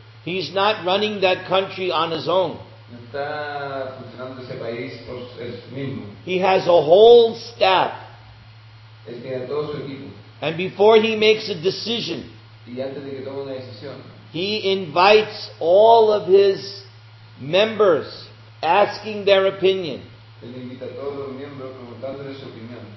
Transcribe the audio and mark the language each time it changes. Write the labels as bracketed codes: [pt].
[en] He's not running that country on his own. [es] No está funcionando ese país por él mismo. [en] He has a whole staff. [es] Él tiene todo su equipo. [en] And before he makes a decision. [es] Y antes de que tome una decisión. [en] He invites all of his members asking their opinion. [es] Él invita a todos los miembros preguntándoles su opinión.